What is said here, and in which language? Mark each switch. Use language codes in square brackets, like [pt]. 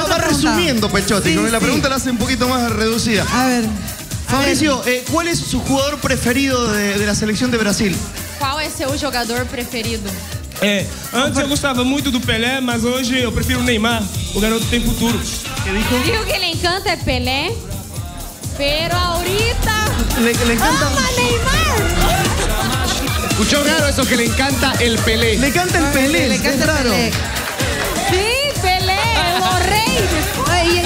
[es] Vamos resumiendo, Pelchotti, sí, la pregunta sí. La hace un poquito más reducida. A ver. Fabricio, ¿cuál es su jugador preferido de la selección de Brasil? ¿Cuál es su jugador preferido? [pt] Antes eu gostava muito do Pelé, mas hoje eu prefiro o Neymar. O garoto tem futuro. [es] Digo que le encanta Pelé, pero ahorita le encanta... ama Neymar. Escuchó raro eso, que le encanta el Pelé. Le encanta el Pelé, le encanta el Pelé. Sí, Pelé, los reyes.